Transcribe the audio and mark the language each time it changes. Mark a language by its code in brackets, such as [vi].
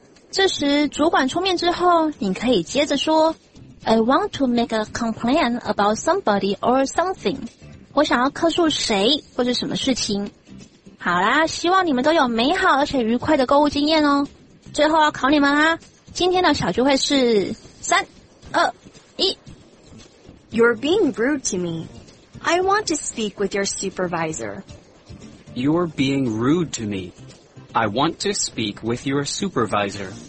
[zh] 这时主管出面之后，你可以接着说 [en] I want to make a complaint about somebody or something. [zh] 我想要客诉谁或者什么事情。好啦，希望你们都有美好而且愉快的购物经验哦。最后要考你们啦，今天的小聚会是三、二、一。 [en] You're being rude to me. I want to speak with your supervisor. You're being rude to me. I want to speak with your supervisor.